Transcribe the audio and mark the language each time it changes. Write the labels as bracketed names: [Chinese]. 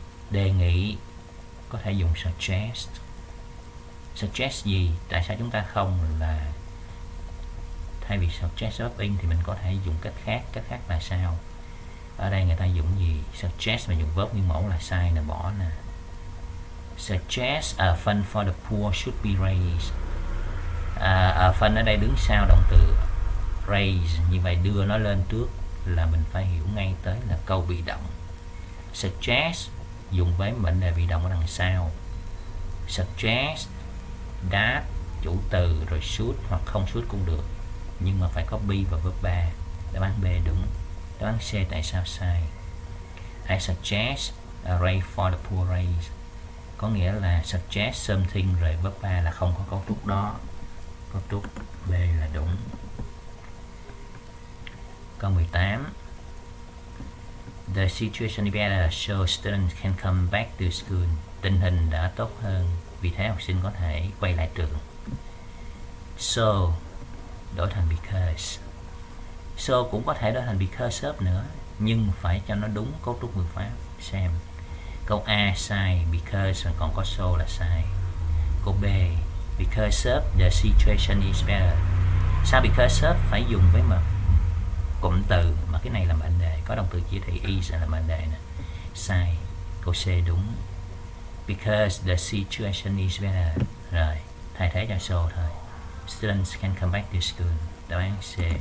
[Vietnamese] Đề nghị có thể dùng suggest. Suggest gì? Tại sao chúng ta không, là thay vì suggest shopping thì mình có thể dùng cách khác. Cách khác là sao? Ở đây người ta dùng gì? Suggest mà dùng verb nguyên mẫu là sai nè, bỏ nè. [English] Suggest a fund for the poor should be raised. [Vietnamese] A fund ở đây đứng sau động từ raise, như vậy đưa nó lên trước là mình phải hiểu ngay tới là câu bị động. Suggest dùng với mệnh đề bị động ở đằng sau. Suggest that chủ từ rồi should hoặc không should cũng được, nhưng mà phải có be và verb 3. Đáp án B đúng. Đáp án C tại sao sai? [English] I suggest a raise for the poor raise. [Vietnamese] Có nghĩa là suggest something rồi verb 3 là không có cấu trúc đó. Cấu trúc B là đúng. Câu 18. [English] The situation is better so students can come back to school. [Vietnamese] Tình hình đã tốt hơn, vì thế học sinh có thể quay lại trường. So đổi thành because. So cũng có thể đổi thành because of nữa, nhưng phải cho nó đúng cấu trúc ngữ pháp. Xem câu A sai, because còn có so là sai. Câu B, [English] because of the situation is better. [Vietnamese] Sao because of phải dùng với mà cụm từ, mà cái này là mệnh đề, có động từ chỉ thị is là mệnh đề nè. Sai. Câu C đúng. [English] Because the situation is better. [Vietnamese] Rồi, thay thế cho so thôi. [English] Students can come back to school. [Vietnamese] Đáp án C.